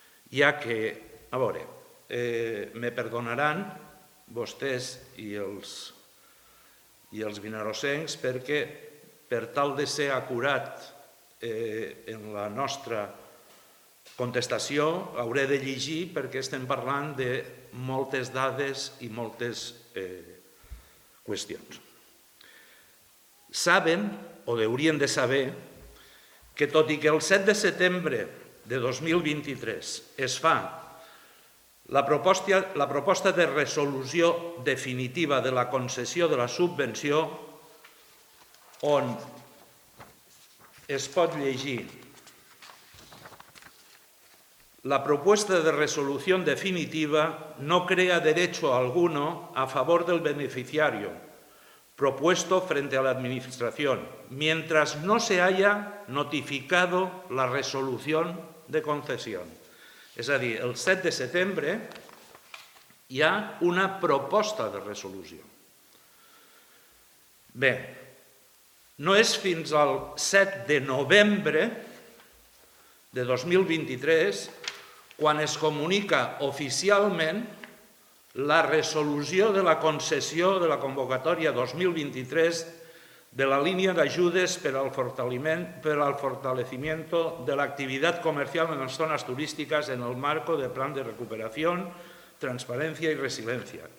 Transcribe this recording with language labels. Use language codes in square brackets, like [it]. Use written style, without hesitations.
[ca] Ja que, a veure, me perdonaran vostès i els vinarosencs perquè, per tal de ser acurat en la nostra contestació, hauré de llegir perquè estem parlant de moltes dades i moltes qüestions. Saben, o haurien de saber, que tot i que el 7 de setembre de 2023 es fa la proposta de resolució definitiva de la concessió de la subvenció, on es pot llegir: [es] la propuesta de resolución definitiva no crea derecho alguno a favor del beneficiario propuesto frente a la Administración, mientras no se haya notificado la resolución de concesión. [ca] És a dir, el 7 de setembre hi ha una proposta de resolució. Bé, no és fins al 7 de novembre de 2023 quan es comunica oficialment la resolució de la concessió de la convocatòria 2023 de la línia d'ajudes per al fortaleciment de l'activitat comercial en les zones turístiques en el marc del Plan de Recuperació, Transparència i Resiliència.